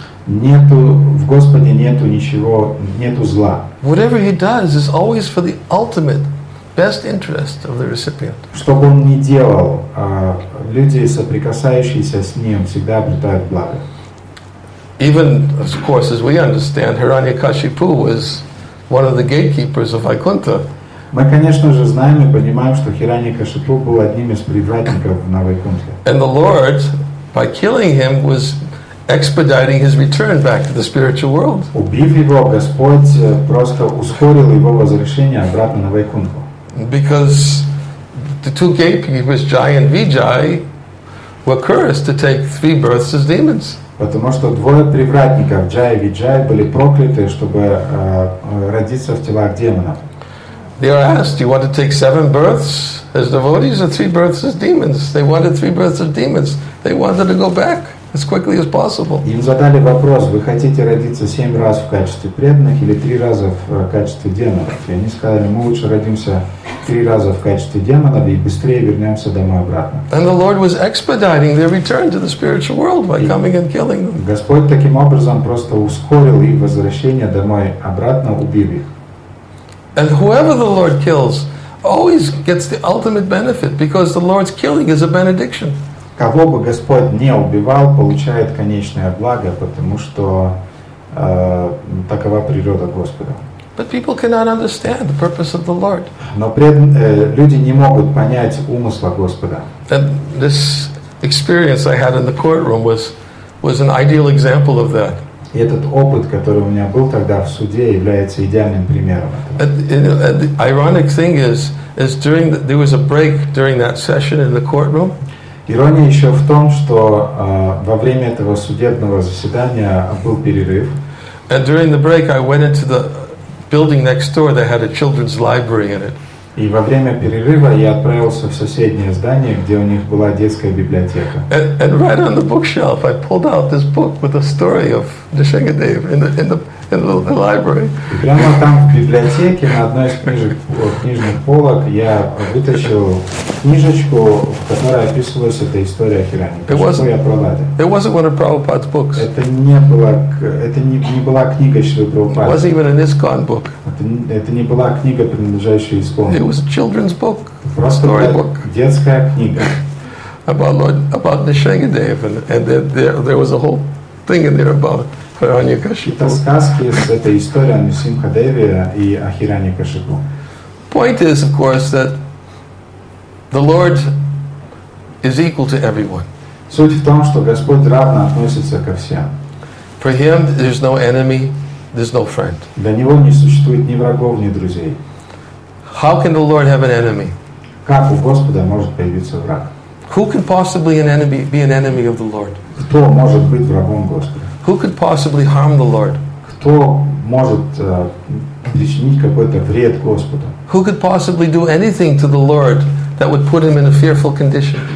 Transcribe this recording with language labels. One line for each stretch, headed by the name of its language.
Russian: Нету, в Господе нету ничего, нету зла.
English: Whatever He does is always for the ultimate best interest of the recipient.
Russian: Что бы Он ни делал, люди, соприкасающиеся с Ним, всегда обретают благо.
English: Even, of course, as we understand, Hiranyakashipu was one of the gatekeepers of Vaikuntha.
Russian: Мы, конечно же, знаем и понимаем, что Хираньякашипу был одним из привратников на Вайкунтхе.
English: And the Lord, by killing him, was expediting his return back to the spiritual world.
Russian: Убив его, Господь просто ускорил его возвращение обратно на Вайкунтху.
English: Because the two gatekeepers, Jai and Vijay, were cursed to take three births as demons.
Russian: Потому что двое привратников, Джай и Виджай, были прокляты, чтобы родиться в телах демонов.
English: They are asked, do you want to take seven births as devotees or three births as demons? They wanted three births as demons. They wanted to go back as quickly as possible.
Russian: Им задали вопрос, вы хотите родиться семь раз в качестве преданных или три раза в качестве демонов? И они сказали, мы лучше родимся три раза в качестве демонов и быстрее вернемся домой обратно.
English: And the Lord was expediting their return to the spiritual world by coming and killing them.
Russian: Господь таким образом просто ускорил их возвращение домой обратно, убив их.
English: And whoever the Lord kills always gets the ultimate benefit because the Lord's killing is a benediction.
Russian: Кого бы Господь не убивал, получает конечное благо, потому что такова природа Господа.
English: But people cannot understand the purpose of the Lord.
Russian: Но люди не могут понять умысла Господа.
English: And this experience I had in the courtroom was an ideal example of that.
Russian: И этот опыт, который у меня был тогда в суде, является идеальным примером этого.
English: The ironic thing is during the, there was a break during that session in the courtroom.
Russian: Ирония еще в том, что во время этого судебного заседания был перерыв.
English: And during the break, I went into the building next door that had a children's library in it.
Russian: И во время перерыва я отправился в соседнее здание, где у них была детская библиотека.
English: And right on the bookshelf, I pulled out this book with the story of Nishingadev in the library.
Russian: И прямо там в библиотеке на одной из книжных полок я вытащил книжечку, в которой описывалась эта история о Хиране.
English: It wasn't one of Prabhupada's books.
Russian: Это не была книга Шри Прабхупады.
English: It wasn't even an ISKCON book.
Russian: Это не была книга, принадлежащая ИСККОН.
English: It was a children's book, storybook.
Russian: Детская книга.
English: About Nishingadev, and there was a whole thing in there about Hiranyakashipu.
Russian: Это сказки, это история о Нисимхадеве и о Хираньякашипу.
English: Point is, of course, that the Lord is equal to everyone.
Russian: Суть в том, что Господь равно относится ко всем.
English: For Him, there's no enemy. There's no friend.
Russian: Для него не существует ни врагов, ни друзей.
English: How can the Lord have an enemy?
Russian: Как у Господа может появиться враг?
English: Who can possibly be an enemy of the Lord?
Russian: Кто может быть врагом Господа?
English: Who could possibly harm the Lord?
Russian: Кто может причинить какой-то вред Господу?
English: Who could possibly do anything to the Lord that would put him in a fearful condition?